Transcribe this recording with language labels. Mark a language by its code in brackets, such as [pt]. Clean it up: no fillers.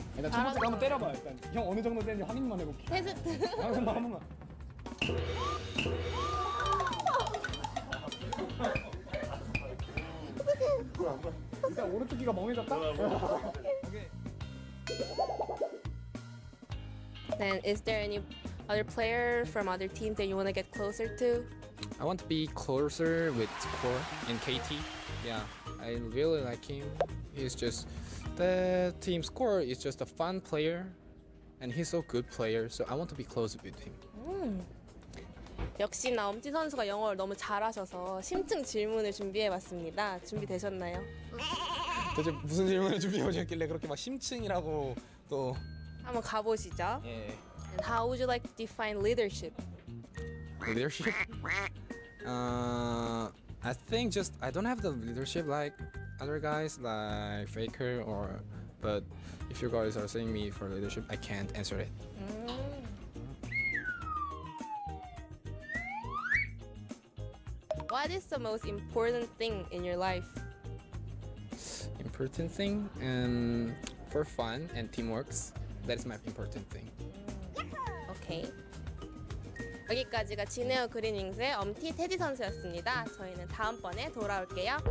[ko] 일단 첫 번째 한번 때려봐. 일단 형 어느 정도 되는지 확인만 해볼게. 테스트. 한번만 한 번만. 일단 오른쪽 귀가 멍해졌다. [en] Then is there any other player from other teams that you want to get closer to? I want to be closer with Core and KT. Yeah, I really like him. He's just the team's Core is just a fun player, and he's a good player. So I want to be close with him. [ko] 역시나 엄지 선수가 영어를 너무 잘하셔서 심층 질문을 준비해봤습니다. 준비되셨나요? 대체 무슨 질문을 준비해오셨길래 그렇게 막 심층이라고 또 한번 가보시죠. 예. Yeah. [en] And how would you like to define leadership? Leadership? I think just I don't have the leadership like other guys like FLICKR or but if you guys are saying me for leadership, I can't answer it. What is the most important thing in your life? Important thing? For fun and teamwork. That is my important thing. Okay. [ko] 여기까지가 지네어 그리닝스의 엄티 테디 선수였습니다. 저희는 다음번에 돌아올게요.